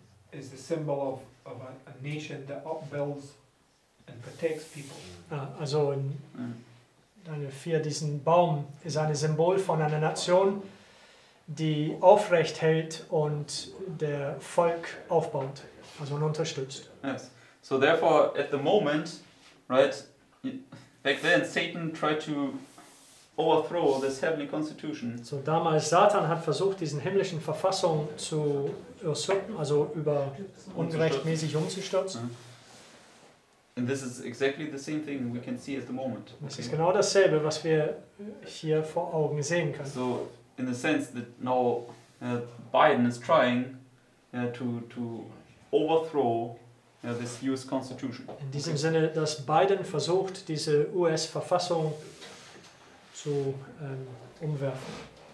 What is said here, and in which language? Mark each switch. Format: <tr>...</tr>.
<en>is the symbol of a nation that upbuilds and protects people.</en> <de>Also in Daniel 4, diesen Baum ist ein Symbol von einer Nation, die aufrecht hält und der Volk aufbaut, also und unterstützt.</de> <en>Yes. So therefore, at the moment, right, back then Satan tried to overthrow this heavenly constitution.</en> <de>So damals Satan hat versucht, diesen himmlischen Verfassung zu usurpen, also über ungerechtmäßig umzustürzen.</de> <en>And this is exactly the same thing we can see at the moment.</en> <de>Das ist genau dasselbe, was wir hier vor Augen sehen können.</de> <en>So in the sense that now Biden is trying to overthrow this US constitution.</en> <de>In diesem Sinne, dass Biden versucht, diese US Verfassung zu umwerfen.</de>